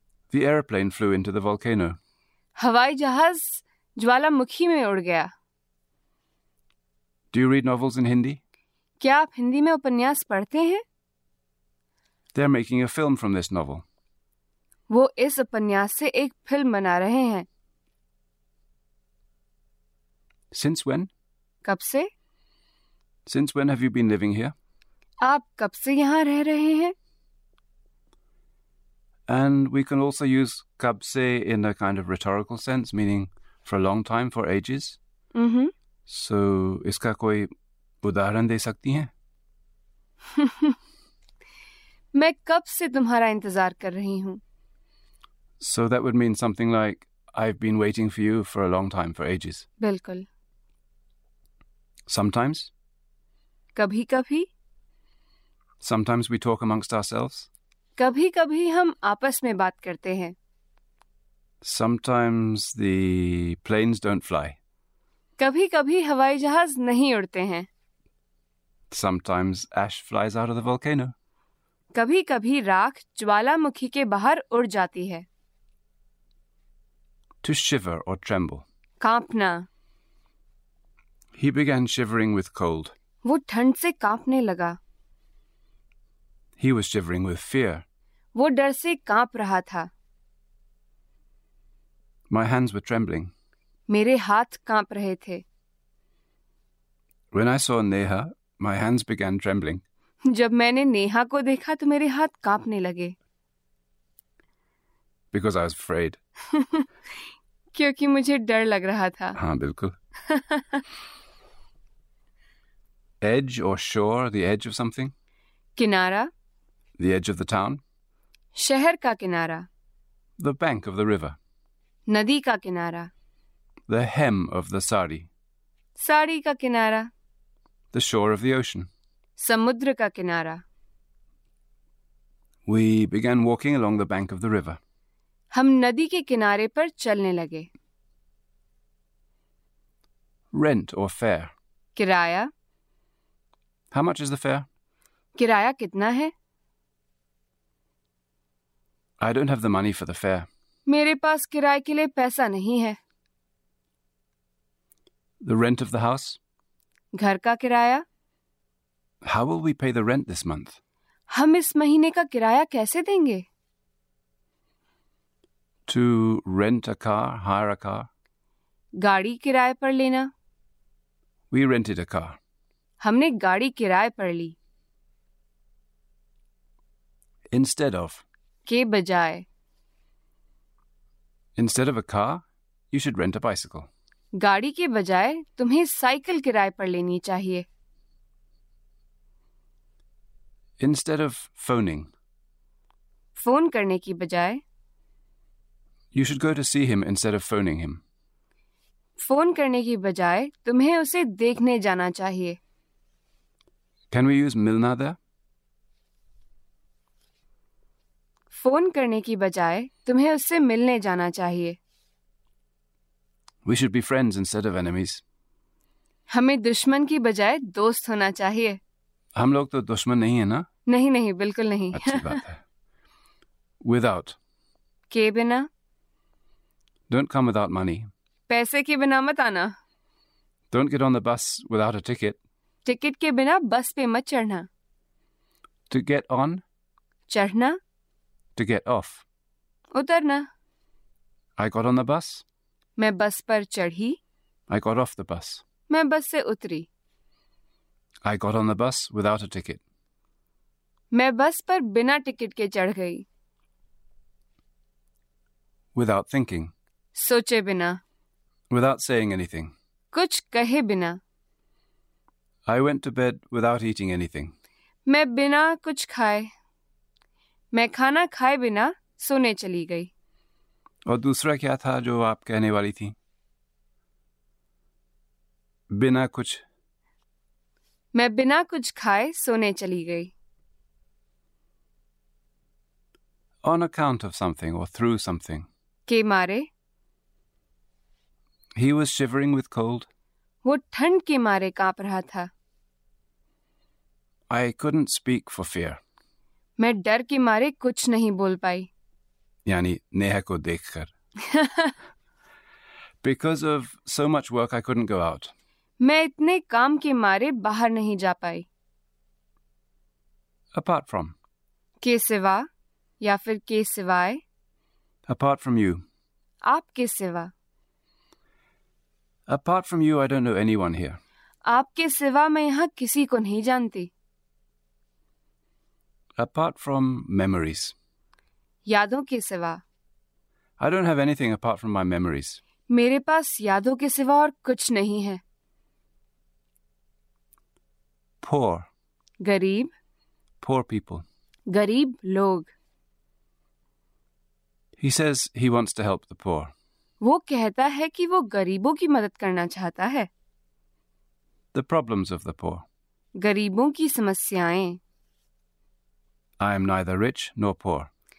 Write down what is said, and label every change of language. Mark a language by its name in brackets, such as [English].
[English] the airplane flew into the volcano. [Hindi] हवाई जहाज ज्वालामुखी में उड़ गया. [English] Do you read novels in Hindi? [Hindi] क्या आप हिंदी में उपन्यास पढ़ते हैं? [English] They're making a film from this novel. [Hindi] वो इस उपन्यास से एक फिल्म बना रहे हैं. [English] Since when? [Hindi] कब से? [English] Since when have you been living here? [Hindi] आप कब से यहाँ रह रहे हैं? [English] And we can also use कब से in a kind of rhetorical sense, meaning for a long time, for ages. Mm-hmm. [Hindi] So, इसका कोई उदाहरण दे सकती हैं? मैं कब से तुम्हारा इंतजार कर रही हूँ? [English] So that would mean something like, I've been waiting for you for a long time, for ages. [Hindi] बिल्कुल. [English] Sometimes? [Hindi] कभी कभी. [English] Sometimes we talk amongst ourselves. [Hindi] कभी कभी हम आपस में बात करते हैं. [English] Sometimes the planes don't fly. [Hindi] कभी कभी हवाई जहाज नहीं उड़ते हैं. [English] Sometimes ash flies out of the volcano. [Hindi] कभी कभी राख ज्वालामुखी के बाहर उड़ जाती है. [English] To shiver or tremble. [Hindi] कांपना. [English] He began shivering with cold. [Hindi] वो ठंड से कांपने लगा. [English] He was shivering with fear. [Hindi] वो डर से कांप रहा था. [English] My hands were trembling. [Hindi] मेरे हाथ कांप रहे थे. [English] When I saw Neha, my hands began trembling. [Hindi] जब मैंने नेहा को देखा तो मेरे हाथ कांपने लगे। [English] Because I was afraid. [Hindi] क्योंकि मुझे डर लग रहा था। हाँ बिल्कुल। [English] Edge or shore, the edge of something. [Hindi] किनारा। [English] The edge of the town. [Hindi] शहर का किनारा। [English] The bank of the river. [Hindi] नदी का किनारा। [English] The hem of the sari. [Hindi] Sari का किनारा। [English] The shore of the ocean. [Hindi] समुद्र का किनारा। [English] We began walking along the bank of the river. [Hindi] हम नदी के किनारे पर चलने लगे। [English] Rent or fare. [Hindi] किराया। [English] How much is the fare? [Hindi] किराया कितना है? [English] I don't have the money for the fare. [Hindi] मेरे पास किराए के लिए पैसा नहीं है। [English] The rent of the house? [Hindi] घर का किराया? [English] How will we pay the rent this month? [Hindi] हम इस महीने का किराया कैसे देंगे? [English] To rent a car, hire a car. [Hindi] गाड़ी किराए पर लेना। [English] We rented a car. [Hindi] हमने गाड़ी किराए पर ली। [English] Instead of. [Hindi] के बजाय। [English] Instead of a car, you should rent a bicycle. [Hindi] गाड़ी के बजाय तुम्हें साइकिल किराए पर लेनी चाहिए। [English] Instead of phoning. [Hindi] फोन करने की बजाय। [English] You should go to see him instead of phoning him. [Hindi] Phone करने की बजाय तुम्हें उसे देखने जाना चाहिए। [English] Can we use Milna there? [Hindi] Phone करने की बजाय तुम्हें उससे मिलने जाना चाहिए। [English] We should be friends instead of enemies. [Hindi] हमें दुश्मन की बजाय दोस्त होना चाहिए। हम लोग तो दुश्मन नहीं है ना? नहीं नहीं बिल्कुल नहीं। अच्छी बात है। Without. के बिना। [English] Don't come without money. [Hindi] पैसे के बिना मत आना। [English] Don't get on the bus without a ticket. [Hindi] Ticket के बिना बस पे मत चढ़ना। [English] To get on. [Hindi] चढ़ना। [English] To get off. [Hindi] उतरना। [English] I got on the bus. [Hindi] मैं बस पर चढ़ी। [English] I got off the bus. [Hindi] मैं बस से उतरी। [English] I got on the bus without a ticket. [Hindi] मैं बस पर बिना टिकट के चढ़ गई। [English] Without thinking. [Hindi] सोचे बिना। [English] Without saying anything. [Hindi] कुछ कहे बिना। [English] I went to bed without eating anything. [Hindi] मैं बिना कुछ खाए। मैं खाना खाए बिना सोने चली गई। और दूसरा क्या था जो आप कहने वाली थी? बिना कुछ। मैं बिना कुछ खाए सोने चली गई। [English] On account of something or through something. [Hindi] के मारे। [English] He was shivering with cold. [Hindi] वो ठंड के मारे कांप रहा था। [English] I couldn't speak for fear. [Hindi] मैं डर के मारे कुछ नहीं बोल पाई। यानी नेहा को देखकर। [English] Because of so much work, I couldn't go out. [Hindi] मैं इतने काम के मारे बाहर नहीं जा पाई। [English] Apart from. [Hindi] के सिवा या फिर के सिवाय। [English] Apart from you. [Hindi] आपके सिवा। [English] Apart from you, I don't know anyone here. [Hindi] आपके सिवा मैं यहाँ किसी को नहीं जानती। [English] Apart from memories. [Hindi] यादों के सिवा। [English] I don't have anything apart from my memories. [Hindi] मेरे पास यादों के सिवा और कुछ नहीं है। [English] Poor. [Hindi] गरीब। [English] Poor people. [Hindi] गरीब लोग। [English] He says he wants to help the poor. [Hindi] वो कहता है कि वो गरीबों की मदद करना चाहता है। [English] The problems of the poor. [Hindi] गरीबों की समस्याएं। [English] I am neither rich nor poor.